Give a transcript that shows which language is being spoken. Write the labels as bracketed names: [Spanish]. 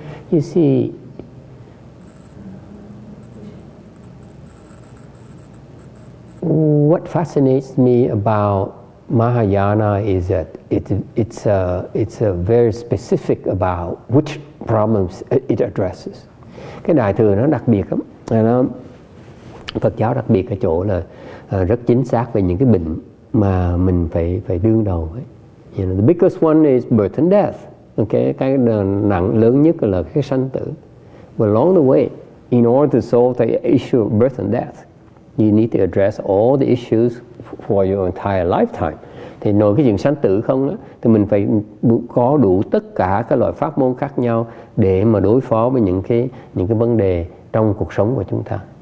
[English] You see, what fascinates me about Mahayana is that it's a very specific about which problems it addresses. [Vietnamese] Cái đại thừa nó đặc biệt lắm. Phật giáo đặc biệt ở chỗ là rất chính xác về những cái bệnh mà mình phải đương đầu ấy. [English] You know, the biggest one is birth and death. Okay, [Vietnamese] cái nặng lớn nhất là cái sanh tử. [English] But along the way, in order to solve the issue of birth and death, you need to address all the issues for your entire lifetime. [Vietnamese] Thì nói cái chuyện sanh tử không đó, thì mình phải có đủ tất cả các loại pháp môn khác nhau để mà đối phó với những cái vấn đề trong cuộc sống của chúng ta.